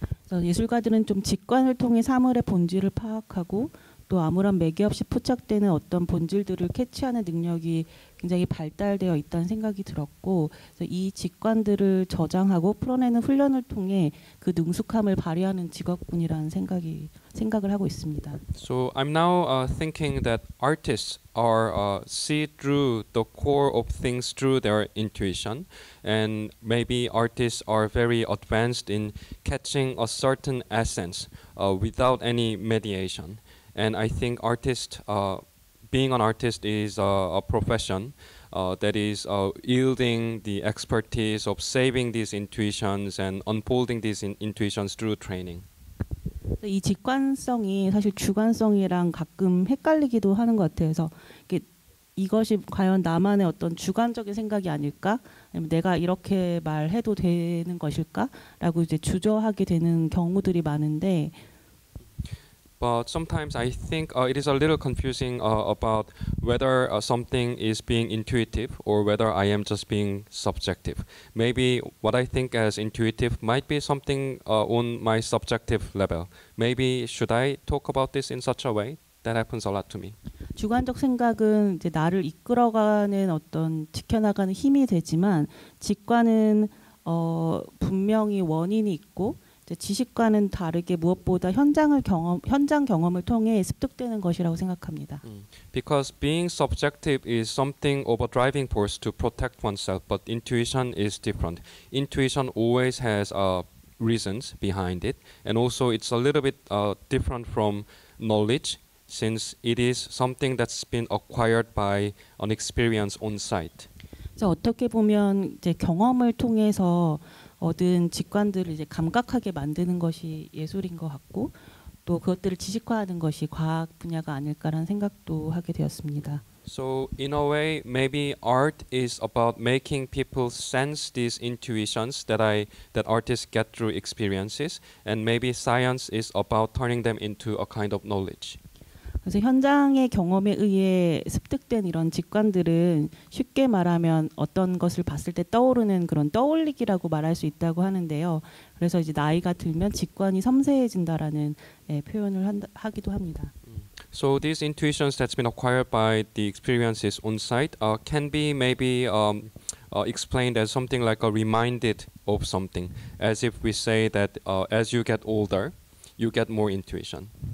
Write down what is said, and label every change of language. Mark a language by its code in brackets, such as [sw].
[ko] 예술가들은 좀 직관을 통해 사물의 본질을 파악하고 또 아무런 매개 없이 포착되는 어떤 본질들을 캐치하는 능력이 굉장히 발달되어 있다는 생각이 들었고 그래서 이 직관들을 저장하고 풀어내는 훈련을 통해 그 능숙함을 발휘하는 직업군이라는 생각을 하고 있습니다. [en] So I'm now thinking that artists are see through the core of things through their intuition and maybe artists are very advanced in catching a certain essence without any mediation. And I think artist, being an artist is a profession that is yielding the expertise of saving these intuitions and unfolding these intuitions through training. [ko] 이 직관성이 사실 주관성이랑 가끔 헷갈리기도 하는 것 같아서 이것이 과연 나만의 어떤 주관적인 생각이 아닐까? 아니면 내가 이렇게 말해도 되는 것일까? 라고 이제 주저하게 되는 경우들이 많은데 [en] But sometimes I think it is a little confusing about whether something is being intuitive or whether I am just being subjective. Maybe what I think as intuitive might be something on my subjective level. Maybe should I talk about this in such a way? That happens a lot to me. [ko] 주관적 생각은 이제 나를 이끌어가는 어떤 지켜나가는 힘이 되지만 직관은 분명히 원인이 있고 지식과는 다르게 무엇보다 현장 경험을 통해 습득되는 것이라고 생각합니다. [en] Because being subjective is something of a driving force to protect oneself, but intuition is different. Intuition always has reasons behind it, and also it's a little bit different from knowledge, since it is something that's been acquired by an experience on site. [ko] 그래서 어떻게 보면 이제 경험을 통해서 얻은 직관들을 이제 감각하게 만드는 것이 예술인 것 같고 또 그것들을 지식화하는 것이 과학 분야가 아닐까라는 생각도 하게 되었습니다. [en] So in a way, maybe art is about making people sense these intuitions that artists get through experiences, and maybe science is about turning them into a kind of knowledge. [ko] 그래서 현장의 경험에 의해 습득된 이런 직관들은 쉽게 말하면 어떤 것을 봤을 때 떠오르는 그런 떠올리기라고 말할 수 있다고 하는데요. 그래서 이제 나이가 들면 직관이 섬세해진다라는 표현을 하기도 합니다. [en] So these intuitions that's been acquired by the experiences on site can be maybe explained as something like a reminded of something. As if we say that as you get older, you get more intuition.